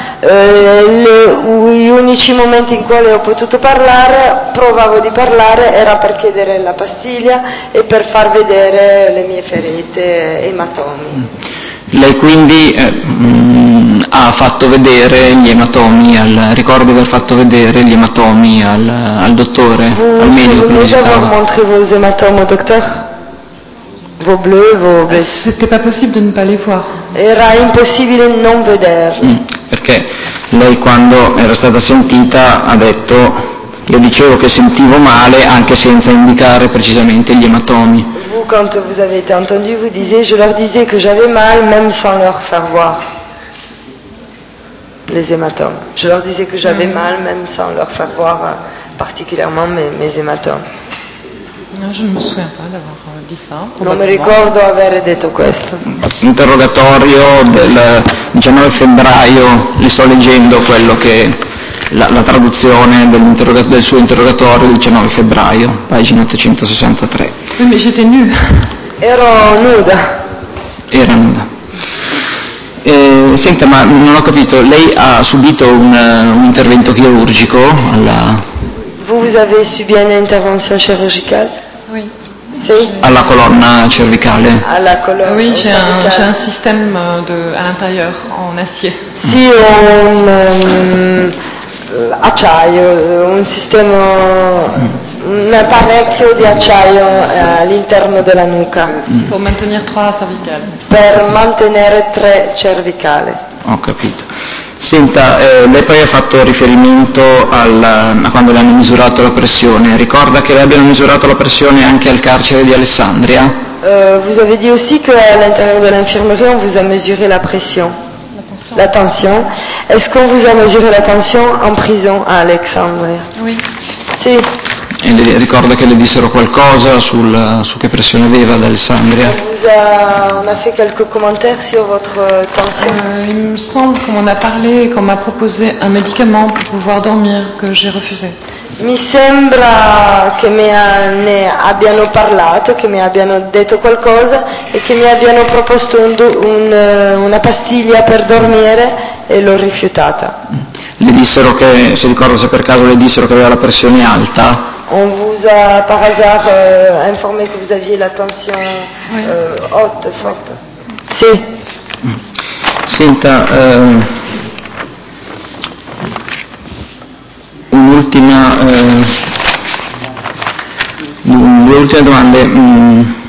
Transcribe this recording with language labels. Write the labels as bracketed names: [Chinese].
[Italian] Gli unici momenti in cui ho potuto parlare, provavo di parlare, era per chiedere la pastiglia e per far vedere le mie ferite e ematomi. Lei quindi ha fatto vedere gli ematomi, ricordo di aver fatto vedere gli ematomi al dottore, al medico che lo visitava. [French] Vous avez montré vos hématomes au docteur? Vos bleus, vos blessures. C'était pas possible de ne pas les voir. [Italian] Era impossibile non vederli. Perché lei quando era stata sentita ha detto, io dicevo che sentivo male anche senza indicare precisamente gli ematomi. [French] Quand vous avez été entendu, vous disiez, je leur disais que j'avais mal, même sans leur faire voir les hématomes. Je leur disais que j'avais mal, même sans leur faire voir particulièrement mes hématomes. Non, je ne me souviens pas d'avoir dit ça. [Italian] Non mi ricordo aver detto questo. Interrogatorio del 19 febbraio, le sto leggendo quello che la traduzione del suo interrogatorio del 19 febbraio, pagina 863. Invece nuda. Ero nuda. Era nuda. Senta, ma non ho capito, lei ha subito un intervento chirurgico alla... [French] Vous avez subi une intervention chirurgicale? Oui. [Italian] Si. Alla colonna cervicale. Alla colonna. [French] Oui, j'ai un système à l'intérieur en acier. [Italian] Si, un acciaio, un sistema, un apparecchio di acciaio all'interno della nuca. [French] Pour maintenir trois cervicales. [Italian] Per mantenere tre cervicali. Ho capito. Senta, lei poi ha fatto riferimento a quando le hanno misurato la pressione. Ricorda che le abbiano misurato la pressione anche al carcere di Alessandria? [French] Vous avez dit aussi que à l'intérieur de l'infirmerie on vous a mesuré la pression. La tension. Est-ce qu'on vous a mesuré la tension en prison à Alexandria? Oui. [Italian] Si. E le ricorda che le dissero qualcosa su che pressione aveva ad Alessandria? [French] On a fait quelques commentaires sur votre tension. Il me semble qu'on a parlé et qu'on m'a proposé un médicament pour pouvoir dormir que j'ai refusé. [Italian] Mi sembra che ne abbiano parlato, che mi abbiano detto qualcosa e che mi abbiano proposto una pastiglia per dormire e l'ho rifiutata. Le dissero che, se ricordo, se per caso le dissero che aveva la pressione alta? On vous a par hasard informé que vous aviez la tension haute, forte. Sì. Senta, due ultime domande.